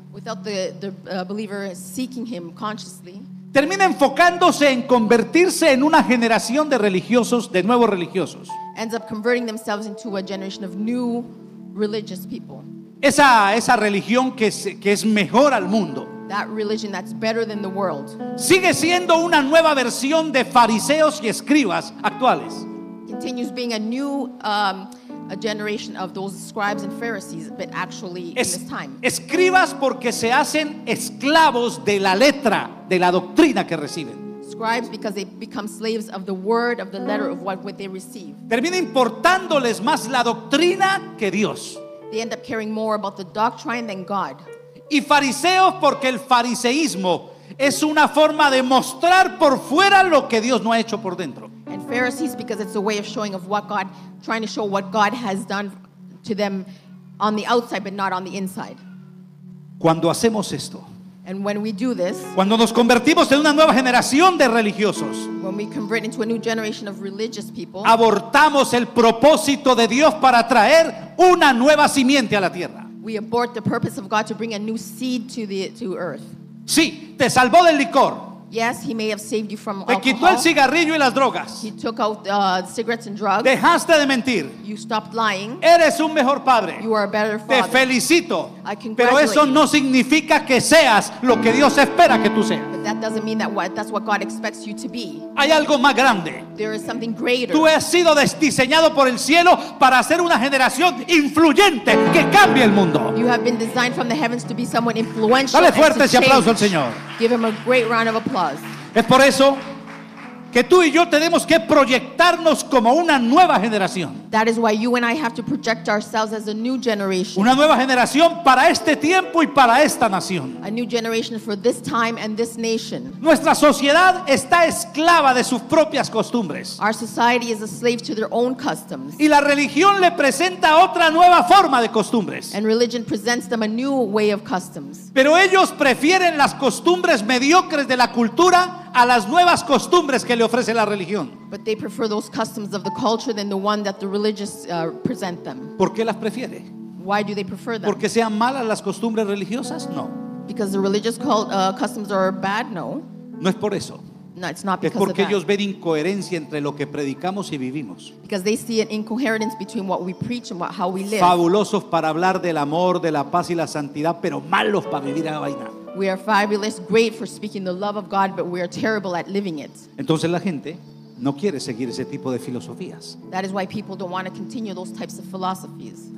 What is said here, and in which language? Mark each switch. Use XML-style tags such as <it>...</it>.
<en>Without the believer seeking him consciously.</en> <es>Termina enfocándose en convertirse en una generación de religiosos, de nuevos religiosos.</es> <en>Ends up converting themselves into a generation of new religious people.</en> <es>Esa religión que es mejor al mundo.</es> <en>That religion that's better than the world.</en> <es>Sigue siendo una nueva versión de fariseos y escribas actuales.</es> <en>Continues being a new a generation of those scribes and Pharisees, but actually in this time.</en> <es>Escribas porque se hacen esclavos de la letra, de la doctrina que reciben.</es> <en>Scribes because they become slaves of the word, of the letter of what they receive.</en> <es>Termina importándoles más la doctrina que Dios.</es> <en>They end up caring more about the doctrine than God.</en> <es>Y fariseos porque el fariseísmo es una forma de mostrar por fuera lo que Dios no ha hecho por dentro.</es> <en>And Pharisees because it's a way of showing of what God, trying to show what God has done to them on the outside but not on the inside.</en> <es>Cuando hacemos esto,</es> <en>and when we do this,</en> <es>cuando nos convertimos en una nueva generación de religiosos,</es> <en>when we convert into a new generation of religious people,</en> <es>abortamos el propósito de Dios para traer una nueva simiente a la tierra.</es> <en>We abort the purpose of God to bring a new seed to earth.</en> <es>Sí, te salvó del licor.</es> <en>Yes, he may have saved you from</en> <es>alcohol. Te quitó el cigarrillo y las drogas.</es> <en>He took out cigarettes and drugs.</en> <es>Dejaste de mentir.</es> <en>You stopped lying.</en> <es>Eres un mejor padre.</es> <en>You are a better father.</en> <es>Te felicito.</es> <en>I congratulate you.</en> <es>Pero eso no significa que seas lo que Dios espera que tú seas.</es> <en>But that doesn't mean that's what God expects you to be.</en> <es>Hay algo más grande.</es> <en>There is something greater.</en> <es>Tú has sido diseñado por el cielo para ser una generación influyente que cambie el mundo.</es> <en>You have been designed from the heavens to be someone influential.</en> <es>Dale fuerte ese aplauso al Señor.</es> <en>Give him a great round of applause.</en> <es>Es por eso que tú y yo tenemos que proyectarnos como una nueva generación.</es> <en>That is why you and I have to project ourselves as a new generation.</en> <es>Una nueva generación para este tiempo y para esta nación.</es> <en>A new generation for this time and this nation.</en> <es>Nuestra sociedad está esclava de sus propias costumbres.</es> <en>Our society is a slave to their own customs.</en> <es>Y la religión le presenta otra nueva forma de costumbres.</es> <en>And religion presents them a new way of customs.</en> <es>Pero ellos prefieren las costumbres mediocres de la cultura a las nuevas costumbres que le ofrece la religión.</es> <en>But they prefer those customs of the culture than the one that the religious present them.</en> <es>¿Por qué las prefiere?</es> <en>Why do they prefer them?</en> <es>¿Porque sean malas las costumbres religiosas? No.</es> <en>Because the religious customs are bad? No.</en> <es>No es por eso.</es> <en>No, it's not because of that.</en> <es>Es porque ellos ven incoherencia entre lo que predicamos y vivimos.</es> <en>Because they see an incoherence between what we preach and how we live.</en> <es>Fabulosos para hablar del amor, de la paz y la santidad, pero malos para vivir la vaina.</es> <en>We are fabulous, great for speaking the love of God, but we are terrible at living it.</en> <es>Entonces la gente no quiere seguir ese tipo de filosofías.</es> <en>That is why people don't want to continue those types of philosophies.</en>